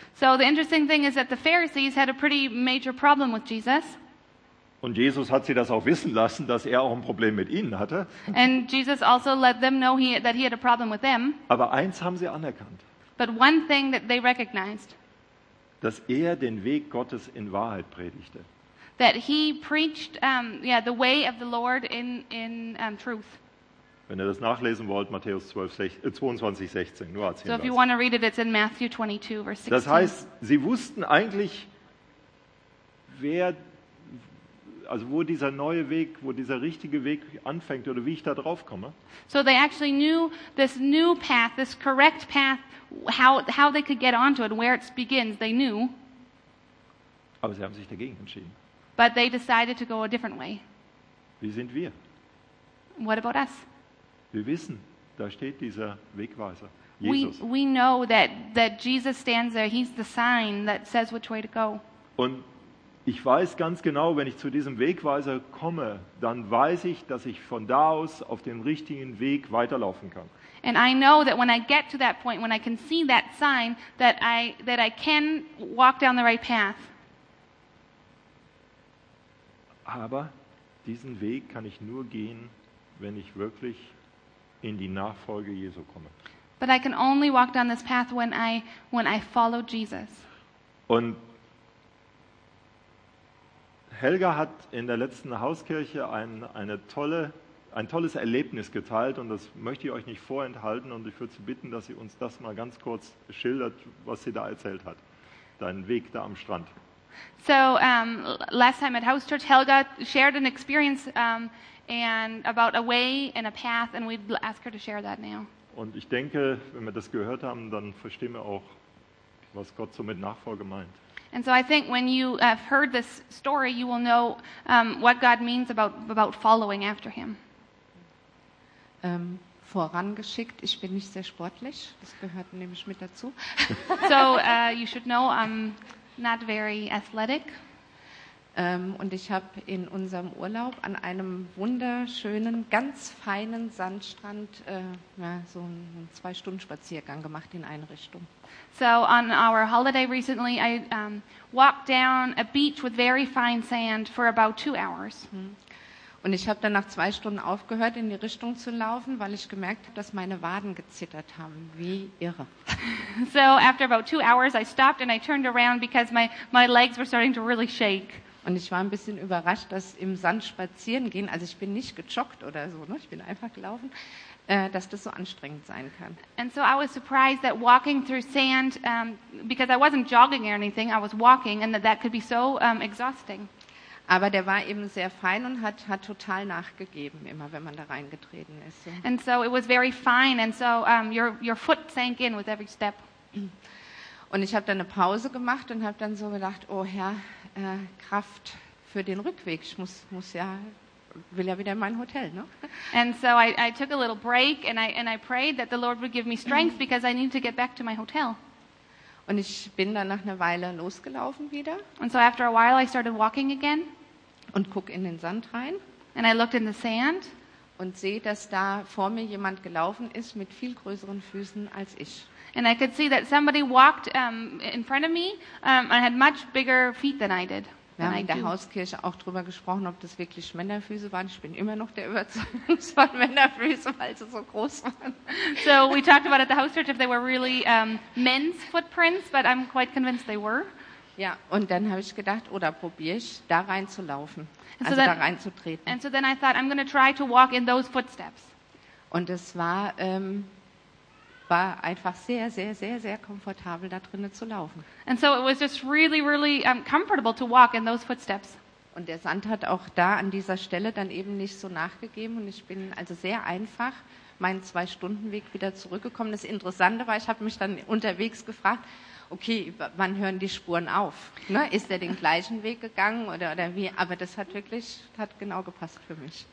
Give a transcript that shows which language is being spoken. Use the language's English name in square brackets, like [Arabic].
[English] So the interesting thing is that the Pharisees had a pretty major problem with Jesus. [German] Und Jesus hat sie das auch wissen lassen, dass er auch ein Problem mit ihnen hatte. [English] And Jesus also let them know that he had a problem with them. [German] Aber eins haben sie anerkannt. [English] But one thing that they recognized. [German] Dass er den Weg Gottes in Wahrheit predigte. [English] That he preached the way of the Lord in truth. [German] Wenn ihr das nachlesen wollt, Matthäus 22:16, nur als Hinweis. [English] So if you want to read it, it's in Matthew 22, verse 16. [German] Das heißt, sie wussten eigentlich, wo dieser richtige Weg anfängt oder wie ich da drauf komme. [English] So they actually knew this new path, this correct path, how they could get onto it, where it begins, they knew. [German] Aber sie haben sich dagegen entschieden. [English] But they decided to go a different way. [German] Wie sind wir? [English] What about us? [German] Wir wissen, da steht dieser Wegweiser, Jesus. [English] We know that Jesus stands there, he's the sign that says which way to go. [German] Und Ich weiß ganz genau, wenn ich zu diesem Wegweiser komme, dann weiß ich, dass ich von da aus auf dem richtigen Weg weiterlaufen kann. [English] And I know that when I get to that point, when I can see that sign, that I can walk down the right path. [German] Aber diesen Weg kann ich nur gehen, wenn ich wirklich in die Nachfolge Jesu komme. [English] But I can only walk down this path when I follow Jesus. [German] Und Helga hat in der letzten Hauskirche ein tolles Erlebnis geteilt, und das möchte ich euch nicht vorenthalten, und ich würde Sie bitten, dass sie uns das mal ganz kurz schildert, was sie da erzählt hat, deinen Weg da am Strand. [English] So last time at House Church, Helga shared an experience and about a way and a path, and we'd ask her to share that now. [German] Und ich denke, wenn wir das gehört haben, dann verstehen wir auch, was Gott so mit Nachfolge meint. [English] And so I think when you have heard this story, you will know what God means about following after him. [German] Vorangeschickt, ich bin nicht sehr sportlich, das gehört nämlich mit dazu. [English] So you should know I'm not very athletic. [German] Und ich habe in unserem Urlaub an einem wunderschönen, ganz feinen Sandstrand so einen 2-Stunden-Spaziergang gemacht in eine Richtung. [English] So on our holiday recently, I walked down a beach with very fine sand for about 2 hours. [German] Und ich habe dann nach 2 Stunden aufgehört, in die Richtung zu laufen, weil ich gemerkt habe, dass meine Waden gezittert haben, wie irre. [English] So after about 2 hours, I stopped and I turned around because my legs were starting to really shake. [German] Und ich war ein bisschen überrascht, dass im Sand spazieren gehen, also ich bin nicht gejoggt oder so, ne? Ich bin einfach gelaufen, dass das so anstrengend sein kann. [English] And so I was surprised that walking through sand, because I wasn't jogging or anything, I was walking, and that could be so exhausting. [German] Aber der war eben sehr fein und hat total nachgegeben, immer wenn man da reingetreten ist. [English] So. And so it was very fine, and so your foot sank in with every step. [German] Und ich habe dann eine Pause gemacht und habe dann so gedacht, oh Herr, Kraft für den Rückweg. Ich will ja wieder in mein Hotel, ne? [English] And so I took a little break and I prayed that the Lord would give me strength because I need to get back to my hotel. [German] Und ich bin dann nach einer Weile losgelaufen wieder. [English] And so after a while I started walking again. [German] Und guck in den Sand rein. [English] And I looked in the sand. [German] Und sehe, dass da vor mir jemand gelaufen ist mit viel größeren Füßen als ich. [English] And I could see that somebody walked in front of me and had much bigger feet than I did. [German] Wir haben in der Hauskirche auch drüber gesprochen, ob das wirklich Männerfüße waren. Ich bin immer noch der Überzeugung, es waren Männerfüße, weil sie so groß waren. [English] So we talked about at the house church if they were really men's footprints, but I'm quite convinced they were. [German] Ja, und dann habe ich gedacht, oder probiere ich, da reinzulaufen, also da reinzutreten. [English] And so then I thought, I'm going to try to walk in those footsteps. [German] Und es war einfach sehr, sehr, sehr, sehr komfortabel, da drinnen zu laufen. [English] And so it was just really, really comfortable to walk in those footsteps. [German] Und der Sand hat auch da an dieser Stelle dann eben nicht so nachgegeben, und ich bin also sehr einfach meinen 2-Stunden-Weg wieder zurückgekommen. Das Interessante war, ich habe mich dann unterwegs gefragt, okay, wann hören die Spuren auf? Ne? Ist er den gleichen Weg gegangen oder wie? Aber das hat genau gepasst für mich.